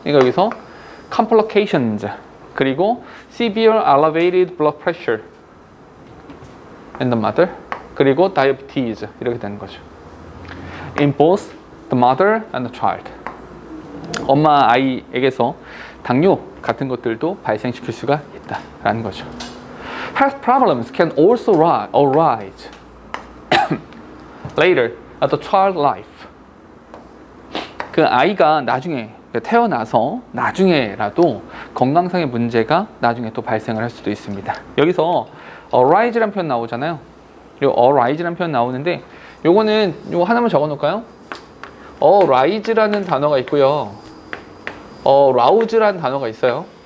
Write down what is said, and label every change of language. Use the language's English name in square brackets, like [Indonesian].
[Korean] 그러니까 여기서 [English] complications [Korean] 그리고 [English] severe elevated blood pressure in the mother 그리고 diabetes [Korean] 이렇게 되는 거죠. [English] In both the mother and the child. [Korean] 엄마 아이에게서 당뇨 같은 것들도 발생시킬 수가 있다라는 거죠. [English] Health problems can also arise later at the child life. [Korean] 그 아이가 나중에 태어나서 나중에라도 건강상의 문제가 나중에 또 발생을 할 수도 있습니다. 여기서 arise라는 표현 나오잖아요. 요 arise라는 표현 나오는데 요거는 요 하나만 적어 놓을까요? arise라는 단어가 있고요. arouse라는 단어가 있어요.